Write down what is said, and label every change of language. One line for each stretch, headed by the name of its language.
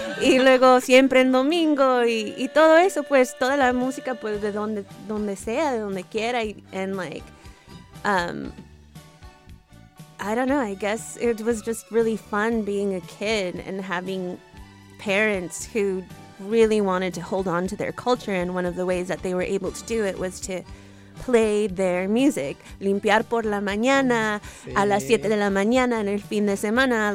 Spanish: Y luego siempre en domingo y todo eso, pues toda la música, pues de donde sea, de donde quiera.
English: And like, I don't know, I guess it was just really fun being a kid and having parents who really wanted to hold on to their culture, and one of the ways that they were able to do it was to play their music.
Spanish: Limpiar por la mañana, sí. A las siete de la mañana, en el fin de semana.